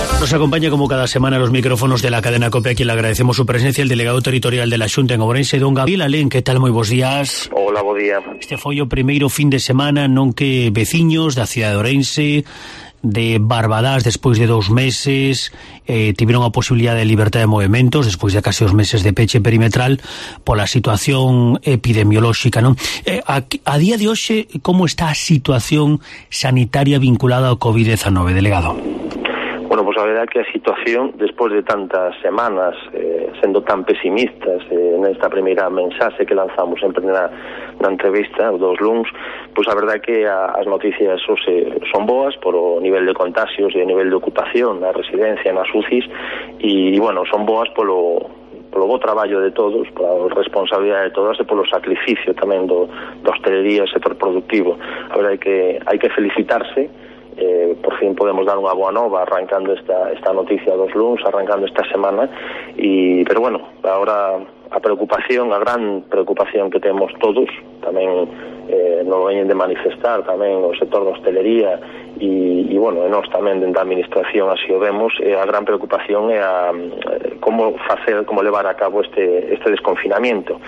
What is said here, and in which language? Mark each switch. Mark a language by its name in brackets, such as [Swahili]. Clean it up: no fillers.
[Spanish] nos acompaña como cada semana a los micrófonos de la cadena COPE, a quien le agradecemos su presencia, el delegado territorial de la Xunta en Ourense, don Gabriel Alén. ¿Qué tal? Muy buenos días. Hola, buen día. [Galician] Este foi o primeiro fin de semana, non que veciños da cidade de Ourense, de Barbadás, despois de 2 meses, tiveron a posibilidad de libertad de movimentos, despois de casi 2 meses de peche perimetral, pola situación epidemiolóxica, non? A día de hoxe, como está a situación sanitaria vinculada ao COVID-19, delegado? Bueno, pues a verdad que a situación, despois de tantas semanas, sendo tan pesimistas, nesta primeira mensaxe que lanzamos en plena na entrevista, os dos LUMS, pues a verdad que as noticias son boas por o nivel de contagios e o nivel de ocupación na residencia, nas UCIs, e, bueno, son boas polo bo traballo de todos, pola responsabilidade de todas e polo sacrificio tamén do hostelería e sector productivo. A verdad que hai que felicitarse. Por fin podemos dar unha boa nova arrancando esta noticia dos LUMS, arrancando esta semana. Pero bueno, agora a preocupación, a gran preocupación que temos todos, tamén nos veñen de manifestar tamén o sector da hostelería e bueno, nós tamén dentro da administración así o vemos, a gran preocupación é como facer, como levar a cabo este desconfinamiento.